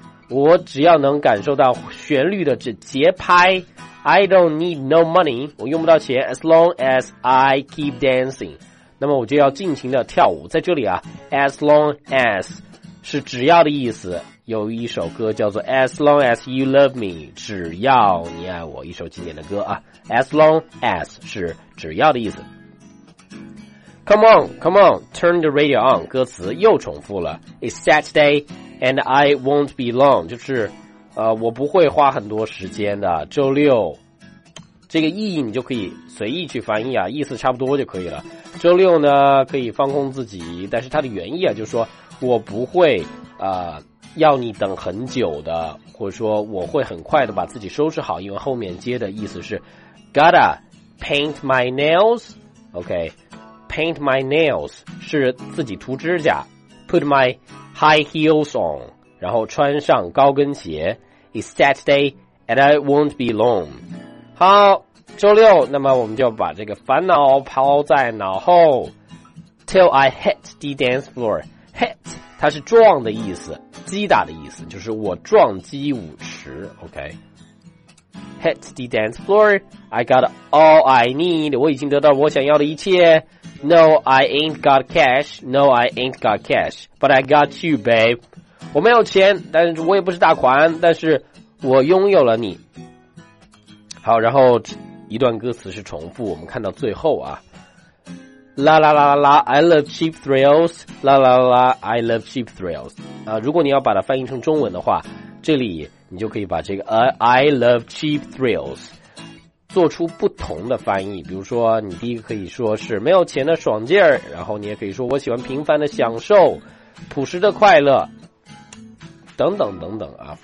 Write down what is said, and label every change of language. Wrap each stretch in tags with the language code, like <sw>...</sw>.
<zh>我只要能感受到旋律的这节拍。</zh> <en>I don't need no money,</en> <zh>我用不到钱，</zh> <en>as long as I keep dancing.</en> <zh>那么我就要尽情的跳舞。在这里啊， as long as 是只要的意思，有一首歌叫做 As Long As You Love Me， 只要你爱我，一首经典的歌啊。 As Long As 是只要的意思。</zh> <en>Come on, come on, turn the radio on，</en> <zh>歌词又重复了。</zh> <en>It's Saturday and I won't be long，</en> <zh>就是我不会花很多时间的，周六。这个意义你就可以随意去翻译啊，意思差不多就可以了。周六呢可以放空自己，但是它的原意啊就是说我不会要你等很久的，或者说我会很快的把自己收拾好，因为后面接的意思是</zh> <en>Gotta paint my nails，</en> <zh>OK， paint my nails 是自己涂指甲，</zh> <en>put my high heels on，</en> <zh>然后穿上高跟鞋。</zh> <en>It's Saturday and I won't be long。</en> <zh>好，周六，那么我们就把这个烦恼抛在脑后。</zh> <en>Till I hit the dance floor，</en> <zh>hit 它是撞的意思，击打的意思，就是我撞击舞池。</zh> <en>OK， hit the dance floor， I got all I need，</en> <zh>我已经得到我想要的一切。</zh> <en>No， I ain't got cash， No， I ain't got cash， but I got you， babe，</en> <zh>我没有钱，但是我也不是大款，但是我拥有了你。好，然后一段歌词是重复，我们看到最后啊，啦啦啦啦</zh> <en>I love cheap thrills，</en> <zh>啦啦啦 I love cheap thrills， 如果你要把它翻译成中文的话，这里你就可以把这个I love cheap thrills 做出不同的翻译，比如说你第一个可以说是没有钱的爽劲儿，然后你也可以说我喜欢平凡的享受，朴实的快乐，等等等等啊。</zh>